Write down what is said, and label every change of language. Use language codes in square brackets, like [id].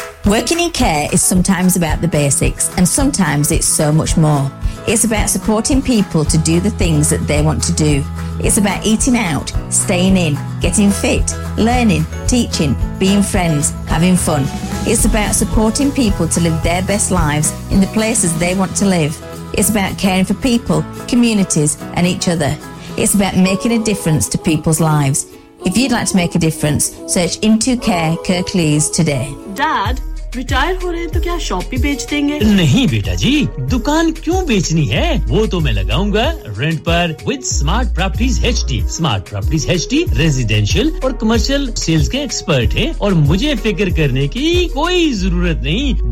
[en] Working in care is sometimes about the basics and sometimes it's so much more it's about supporting people to do the things that they want to do It's about eating out, staying in, getting fit, learning, teaching, being friends, having fun. It's about supporting people to live their best lives in the places they want to live. It's about caring for people, communities, and each other. It's about making a difference to people's lives. If you'd like to make a difference, search Into Care Kirklees today. Dad, [hi] retire हो रहे हैं तो क्या shop भी बेच देंगे? नहीं बेटा जी, दुकान क्यों बेचनी है? वो तो मैं लगाऊंगा रेंट पर with smart properties HD. Smart properties HD residential और कमर्शियल सेल्स के एक्सपर्ट हैं और मुझे फिक्र करने की कोई जरूरत नहीं।